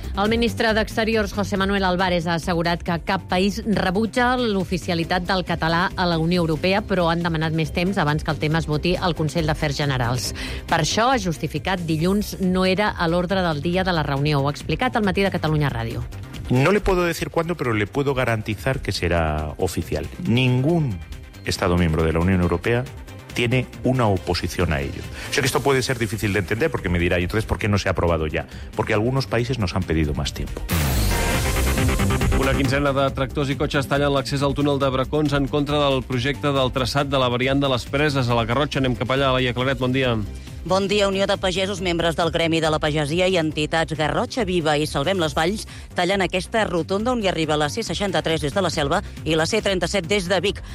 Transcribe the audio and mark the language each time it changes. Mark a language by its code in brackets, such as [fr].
[ca] El ministre d'Exteriors, José Manuel Álvarez, ha assegurat que cap país rebutja l'oficialitat del català a la Unió Europea, però han demanat més temps abans que el tema es voti al Consell d'Afers Generals. Per això, ha justificat, dilluns no era a l'ordre del dia de la reunió. Ho ha explicat al Matí de Catalunya Ràdio. [es] No le puedo decir cuándo, pero le puedo garantizar que será oficial. Ningún Estado miembro de la Unión Europea tiene una oposición a ello. Sé que esto puede ser difícil de entender, porque me dirá, ¿y entonces por qué no se ha aprobado ya? Porque algunos países nos han pedido más tiempo. [ca] Una quinzena de tractors i cotxes tallen l'accés al túnel de Bracons en contra del projecte del traçat de la variant de les Preses a la Garrotxa. Anem cap allà, Laia Claret, bon dia. Bon dia. Unió de Pagesos, membres del Gremi de la Pagesia i entitats Garrotxa Viva i Salvem les Valls tallen aquesta rotonda on hi arriba la C-63 des de la Selva i la C-37 des de Vic.